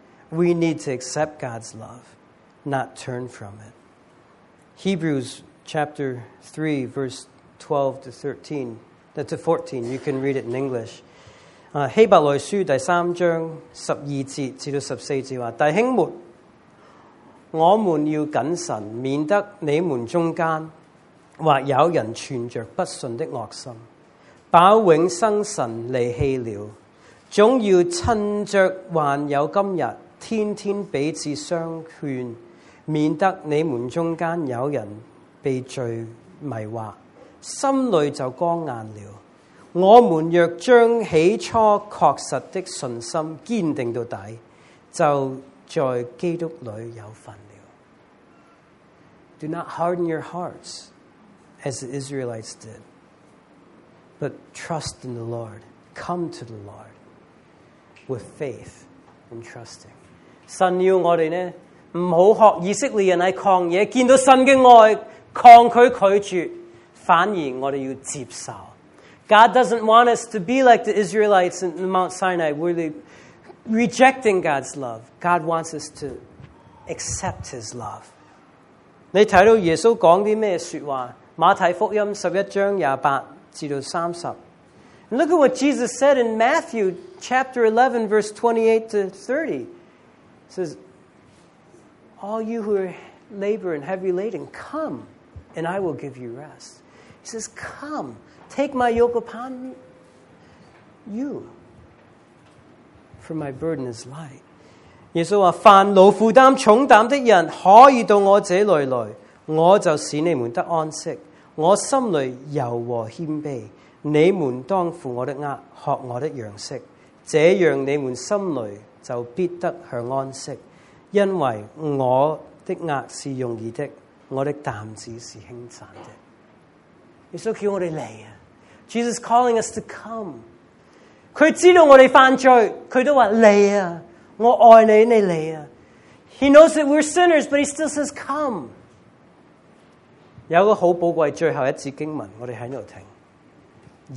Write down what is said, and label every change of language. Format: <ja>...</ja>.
<en>We need to accept God's love, not turn from it. Hebrews chapter 3, verse 12 to 14, you can read it in English.</en> <zh>希伯来书第三章十二节至到十四节话, 弟兄们, 我们要谨慎，免得你们中间或有人存着不信的恶心，把永生神离弃了，总要趁着还有今日，天天彼此相劝，免得你们中间有人被罪迷惑，心里就光硬了。我们若将起初确实的信心坚定到底，就在基督里有份了。</zh> <en>Do not harden your hearts as the Israelites did, but trust in the Lord. Come to the Lord with faith and trusting.</en> <zh>神要我们呢不要学以色列人在旷野见到神的爱抗拒拒绝，反而我们要接受。</zh> <en>God doesn't want us to be like the Israelites in Mount Sinai, where they rejecting God's love. God wants us to accept His love.</en> <zh>你看到耶稣讲的什么说话？马太福音11:28-30。</zh> <en>And look at what Jesus said in Matthew chapter 11, verse 28-30. It says, All you who labor and heavy laden, come, and I will give you rest. He says, come, take my yoke upon you, for my burden is light.</en> <zh>耶稣说，凡劳负担重担的人可以到我这里来，我就使你们得安息。我心里柔和谦卑，你们当负我的轭，学我的样式，这样你们心里就必得享安息。因为我的轭是容易的，我的担子是轻散的。耶稣叫我们来啊，</zh> <en>Jesus calling us to come.</en> <zh>他知道我们犯罪，他都说来啊，我爱你，你来啊。</zh> <en>He knows that we're sinners, but he still says come.</en> <zh>有个好宝贵最后一节经文，我们在这里听。</zh>